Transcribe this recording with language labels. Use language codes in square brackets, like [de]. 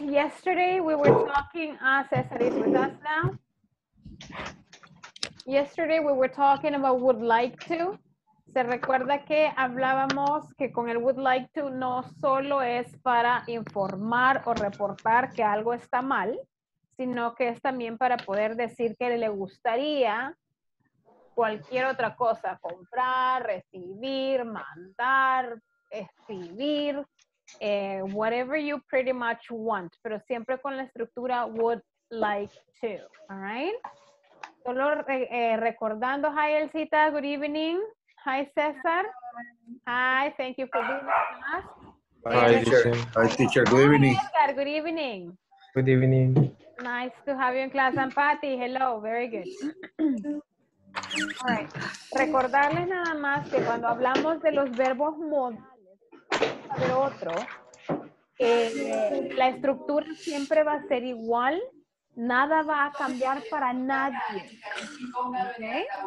[en] Yesterday, we were talking, Cesar is with us now. Yesterday, we were talking about would like to. [es] ¿Se recuerda que hablábamos que con el would like to no solo es para informar o reportar que algo está mal, sino que es también para poder decir que le gustaría cualquier otra cosa, comprar, recibir, mandar, escribir? [en] Whatever you pretty much want, [es] pero siempre con la estructura [en] would like to, all right? [es] Solo recordando, [en] hi Elcita, good evening. Hi Cesar. Hi, thank you for being with us. Hi teacher, good evening. Hi Edgar, good evening. Good evening. Nice to have you in class, and Patty, hello, very good. All right, [es] recordarles nada más que cuando hablamos de los verbos modales, pero otro, la estructura siempre va a ser igual, nada va a cambiar para nadie, ¿okay?